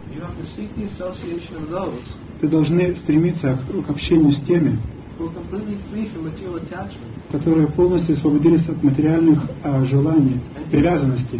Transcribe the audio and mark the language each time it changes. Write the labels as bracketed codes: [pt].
[en] "You have to seek the association of those." [ru] Ты должны стремиться к общению с теми, [en] who are completely free from material attachment. [ru] Которые полностью освободились от материальных желаний, привязанностей.